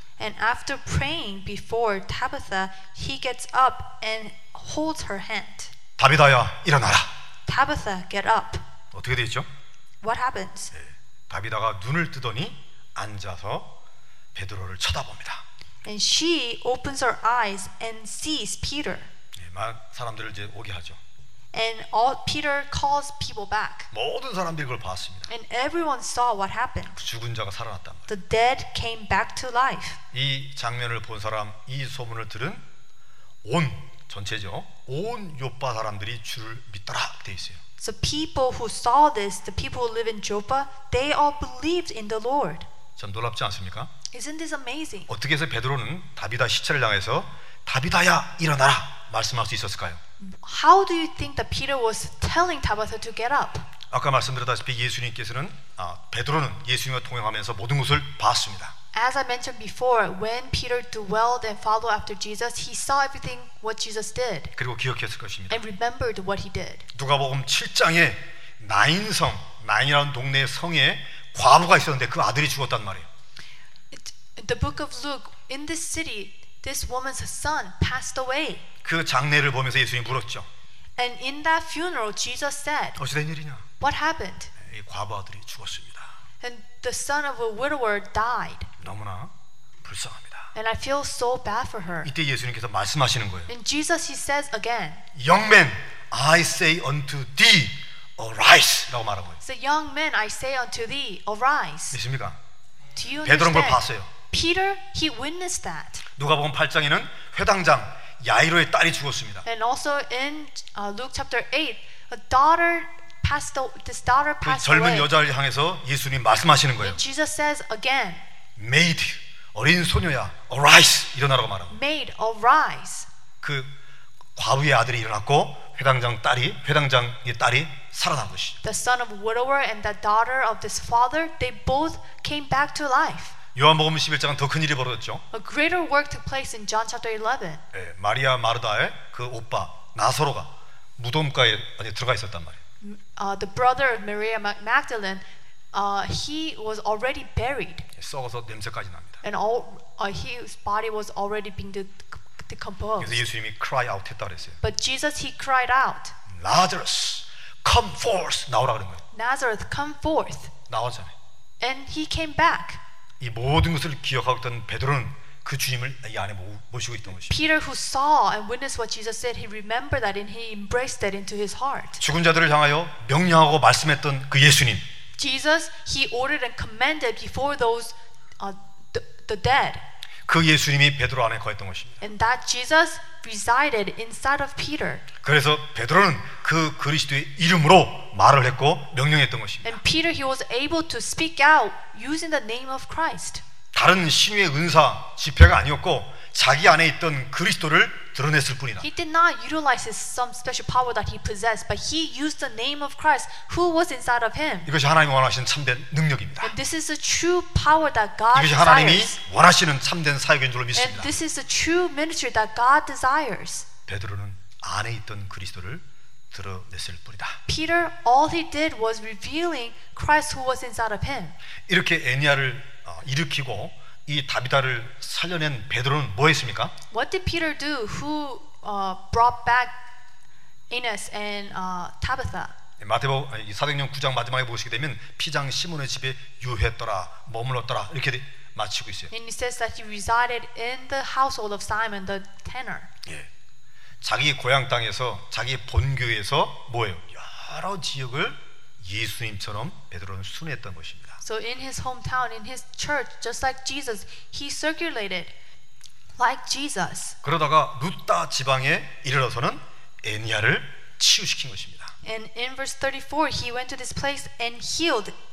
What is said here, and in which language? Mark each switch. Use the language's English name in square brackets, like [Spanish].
[English] And after praying before Tabitha, he gets up and holds her hand. [Korean] 다비다야, 일어나라. [English] Tabitha, get up. [Korean] 어떻게 되죠? [English] What happens? [Korean] 네, 다비다가 눈을 뜨더니 앉아서 베드로를 쳐다봅니다. [English] And she opens her eyes and sees Peter. [Korean] 네, 막 사람들을 이제 오게 하죠. [English] And all, Peter calls people back. [Korean] 모든 사람들이 그걸 봤습니다. [English] And everyone saw what happened. [Korean] 죽은 자가 살아났단 말이에요. [English] The dead came back to life. [Korean] 이 장면을 본 사람, 이 소문을 들은 온 전체죠. 온 요파 사람들이 주를 믿더라 돼 있어요. [English] So people who saw this, the people who live in Joppa, they all believed in the Lord. [Korean] 참 놀랍지 않습니까? [English] Isn't this amazing? [Korean] 어떻게 해서 베드로는 다비다 시체를 향해서 다비다야 일어나라 말씀할 수 있었을까요? [English] How do you think that Peter was telling Tabitha to get up? [Korean] 아까 말씀드렸다시피 예수님께서는 아, 베드로는 예수님과 동행하면서 모든 것을 봤습니다. [English] As I mentioned before, when Peter dwelled and followed after Jesus, he saw everything what Jesus did. [Korean] 그리고 기억했을 것입니다. [English] And remembered what he did. [Korean] 누가복음 7장에 나인성, 나인이라는 동네의 성에 과부가 있었는데 그 아들이 죽었단 말이에요. [English] The book of Luke, in this city, this woman's son passed away. [Korean] 그 장례를 보면서 예수님 물었죠. [English] And in that funeral, Jesus said, [Korean] 어찌 된 일이냐? [English] What happened? [Korean] 이 과부 아들이 죽었습니다. [English] And the son of a widower died. [Korean] 너무나 불쌍합니다. [English] And I feel so bad for her. [Korean] 이때 예수님께서 말씀하시는 거예요. [English] And Jesus, he says again, Young man, I say unto thee, arise. [Korean] 라고 말하고 있어요. [English] So young man, I say unto thee, arise. [Korean] 믿습니까? [English] Do you [Korean] 베드로는 그걸 봤어요. [English] Peter, he witnessed that. [Korean] 누가복음 8장에는 회당장 야이로의 딸이 죽었습니다. [English] And also in Luke chapter 8, a daughter passed the, this daughter passed away. [Korean] 그 젊은 여자를 향해서 예수님 말씀하시는 거예요. [English] And Jesus says again, Maid, [Korean] 어린 소녀야, [English] arise, [Korean] 일어나라고 말하고. [English] Maid, arise. [Korean] 그 과부의 아들이 일어났고 회당장 딸이 회당장의 딸이 살아난 것이. [English] The son of a widower and the daughter of this father, they both came back to life. [Korean] 요한복음 11장은 더 큰 일이 벌어졌죠. [English] A greater work took place in John chapter 11. [Korean] 예, 마리아 마르다의 그 오빠 나사로가 무덤가에 아니 들어가 있었단 말이에요. [English] The brother of Maria Magdalene, he was already buried. [Korean] 예, 썩어서 냄새까지 납니다. [English] And all his body was already being decomposed. [Korean] 그래서 예수님이 [English] cry out [Korean] 했다 그랬어요. [English] But Jesus he cried out. Lazarus, come forth. [Korean] 나오라 그런 거예요. [English] Lazarus, come forth. [Korean] 나왔잖아요. [English] And he came back. [Korean] 이 모든 것을 기억하고 있던 베드로는 그 주님을 이 안에 모시고 있던 것이죠. [English] Peter who saw and witnessed what Jesus said, he remembered that and he embraced that into his heart. [Korean] 죽은 자들을 향하여 명령하고 말씀했던 그 예수님. [English] Jesus he ordered and commanded before those the dead. [Korean] 그 예수님이 베드로 안에 거했던 것입니다. [English] And that Jesus resided inside of Peter. [Korean] 그래서 베드로는 그 그리스도의 이름으로 말을 했고 명령했던 것입니다. [English] And Peter he was able to speak out using the name of Christ. [Korean] 다른 신유의 은사 지폐가 아니었고 자기 안에 있던 그리스도를 드러냈을 뿐이다. [English] He did not utilize some special power that he possessed, but he used the name of Christ who was inside of him. [Korean] 이것이 하나님이 원하시는 참된 능력입니다. [English] And this is the true power that God desires. [Korean] 이것이 하나님이 원하시는 참된 사역인 줄 믿습니다. [English] And this is the true ministry that God desires. [Korean] 베드로는 안에 있던 그리스도를 드러냈을 뿐이다. [English] Peter, all he did was revealing Christ who was inside of him. [Korean] 이렇게 애니아를 일으키고 이 다비다를 살려낸 베드로는 뭐 했습니까? [English] What did Peter do who brought back Enos and Tabitha? [Korean] 마태복음 사도행전 9장 마지막에 보시게 되면 피장 시몬의 집에 유했더라 머물렀더라 이렇게 마치고 있어요. [English] And he says that he resided in the household of Simon the tanner. [Korean] 예. 자기 고향 땅에서 자기 본교에서 뭐예요? 여러 지역을 예수님처럼 베드로는 순회했던 것입니다. [English] So in his hometown, in his church, just like Jesus, he circulated like Jesus. [Korean] 그러다가 루다 지방에 이르러서는 애니아를 치유시킨 것입니다. [English] And in verse 34, he went to this place and healed